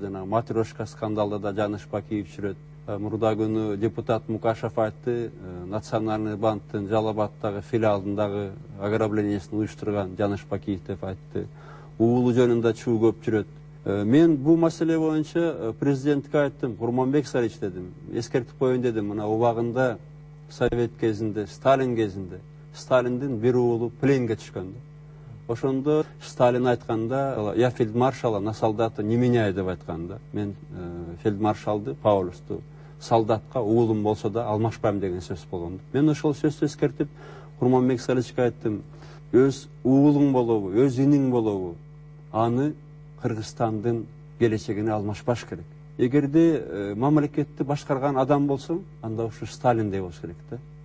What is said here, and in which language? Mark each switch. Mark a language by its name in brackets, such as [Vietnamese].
[Kyrgyz] Жанагы матрешка скандалда да Жаныш Бакиев жүрөт. Мурда күнү депутат Мукашев айтты, Национальный банктын Жалал Абадтагы филиалындагы ограблениясын уюштурган Жаныш Бакиев деп айтты. Уулу жөнүндө чуу көп жүрөт. Мен бул маселе боюнча президентке айттым, Курманбек Салыч дедим, эскертип коеюн дедим, мына убагында совет кезинде, Сталин кезинде, Сталиндин бир уулу пленге түшкөн. Ошондо Сталин айтканда, [Russian] я фельдмаршала на солдата не меняю [Kyrgyz] деп айтканда, мен фельдмаршалды, Паулюсту, солдатка уулум болсо да алмашпайм деген сөз болгон. Мен ошол сөздү эскертип, Курманбек Салычка айттым, өз уулуң болобу, өз иниң болобу, аны Кыргызстандын келечегине алмашпаш керек. Эгерде мамлекетти башкарган адам болсом, анда ушул Сталиндей болуш керек да.